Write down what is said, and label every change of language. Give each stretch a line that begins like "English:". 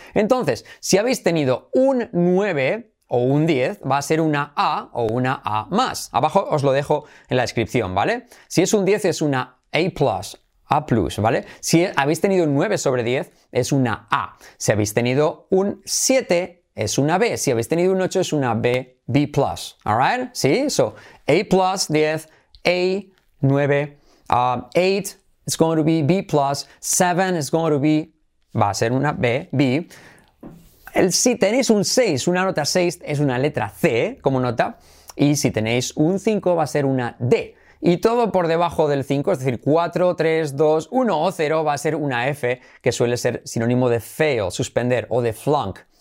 Spanish: Entonces, si habéis tenido un 9 o un 10, va a ser una A o una A más. Abajo os lo dejo en la descripción, ¿vale? Si es un 10, es una A+. A plus, ¿vale? Si habéis tenido un 9 sobre 10, es una A. Si habéis tenido un 7, es una B. Si habéis tenido un 8, es una B, B plus.
English: ¿Alright?
Spanish: ¿Sí?
English: So, A plus, 10, A, 9, 8, it's going to be B plus, 7, it's going to be,
Spanish: va a ser una B,
English: B.
Spanish: Si tenéis un 6, una nota 6, es una letra C como nota. Y si tenéis un 5, va a ser una D. Y todo por debajo del 5, es decir, 4, 3, 2, 1 o 0, va a ser una F, que suele ser sinónimo de fail, suspender, o de flunk.